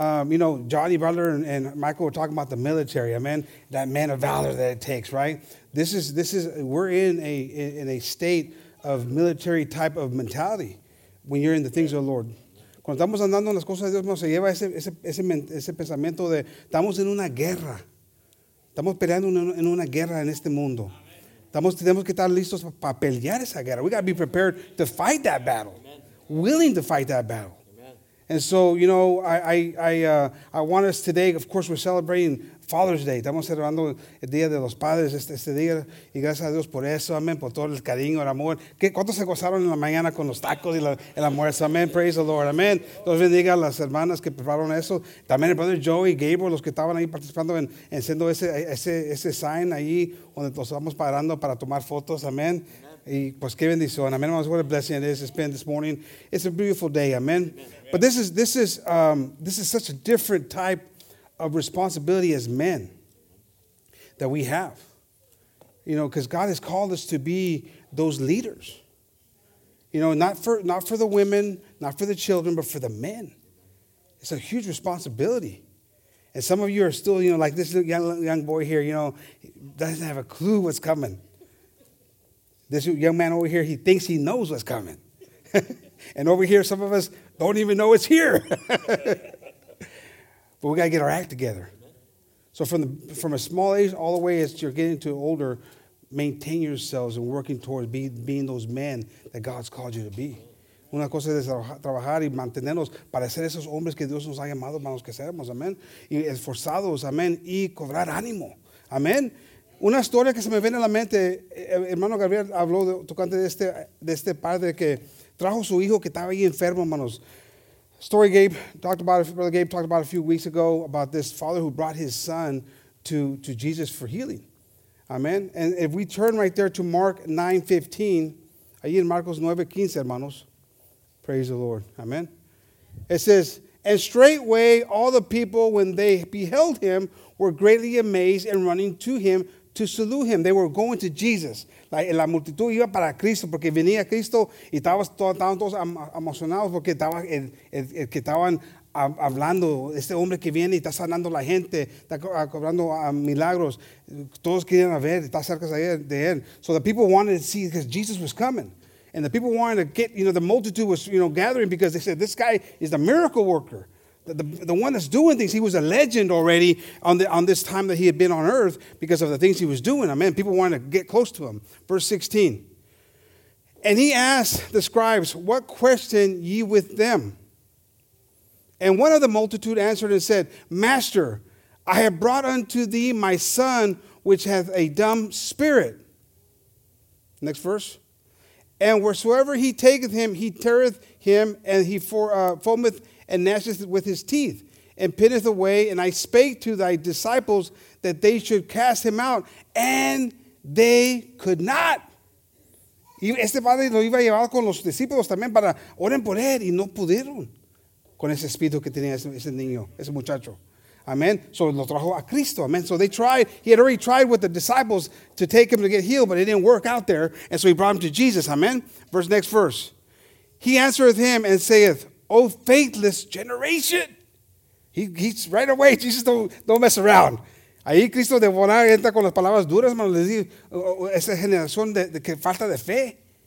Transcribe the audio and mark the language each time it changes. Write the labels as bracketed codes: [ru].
[en] You know, Johnny Butler and Michael were talking about the military, amen. That man of valor that it takes, right? This is we're in a state of military type of mentality when you're in the things of the Lord. [es] Cuando estamos andando en las cosas de Dios, nos lleva ese pensamiento de estamos en una guerra. Estamos peleando en una guerra en este mundo. Tenemos que estar listos para pelear esa guerra. [en] We got to be prepared to fight that battle. Amen. Willing to fight that battle. Amen. And so, you know, I want us today, of course, we're celebrating Father's Day. [es] Estamos celebrando el Día de los Padres este día. Y gracias a Dios por eso, amén, por todo el cariño, el amor. ¿Cuántos se gozaron en la mañana con los tacos y el almuerzo? Amén, [en] praise the Lord, [es] amén. Dios bendiga a las hermanas que prepararon eso. También el brother Joey, Gabriel, los que estaban ahí participando en siendo ese sign ahí donde nos estamos parando para tomar fotos, amén. Y pues qué bendición, amén. [en] What a blessing it is to spend this morning. It's a beautiful day, amén. But this is such a different type of responsibility as men that we have, you know, because God has called us to be those leaders, you know, not for the women, not for the children, but for the men. It's a huge responsibility. And some of you are still, you know, like this young boy here, you know, doesn't have a clue what's coming. This young man over here, he thinks he knows what's coming. And over here, some of us don't even know it's here. But we got to get our act together. So from a small age all the way as you're getting to older, maintain yourselves and working towards being those men that God's called you to be. [es] Una cosa es trabajar y mantenernos para ser esos hombres que Dios nos ha llamado, hermanos, que seamos, amén. Y esforzados, amén, y cobrar ánimo, amén. Una historia que se me viene a la mente, hermano Gabriel habló tocante de este padre que trajo su hijo que estaba ahí enfermo, hermanos. [en] story Gabe talked about, Brother Gabe talked about a few weeks ago about this father who brought his son to Jesus for healing. Amen. And if we turn right there to Mark 9:15, [es] ahí en Marcos 9:15, hermanos. [en] Praise the Lord. Amen. It says, and straightway all the people, when they beheld him, were greatly amazed and running to him to salute him. They were going to Jesus. [es] La multitud iba para Cristo porque venía Cristo y estaban todos emocionados porque estaba el que estaban hablando, este hombre que viene y está sanando la gente, está cobrando milagros. Todos querían ver, está cerca de él. [en] So the people wanted to see because Jesus was coming. And the people wanted to get, you know, the multitude was, you know, gathering because they said, this guy is the miracle worker. The one that's doing things, he was a legend already on this time that he had been on earth because of the things he was doing. Amen. People wanted to get close to him. Verse 16. And he asked the scribes, what question ye with them? And one of the multitude answered and said, Master, I have brought unto thee my son, which hath a dumb spirit. Next verse. And wheresoever he taketh him, he teareth him, and he foameth and gnasheth with his teeth, and pinneth away. And I spake to thy disciples that they should cast him out, and they could not. [es] Este padre lo iba a llevar con los discípulos también para oren por él, y no pudieron con ese espíritu que tenía ese niño, ese muchacho. [en] Amen. So [es] lo trajo a Cristo. [en] Amen. So they tried. He had already tried with the disciples to take him to get healed, but it didn't work out there. And so he brought him to Jesus. Amen. Verse next verse. He answereth him and saith, O faithless generation. He's right away. Jesus don't mess around. [es] Ahí Cristo de volar entra con las palabras duras. Man, le dice, esa generación de que falta de fe.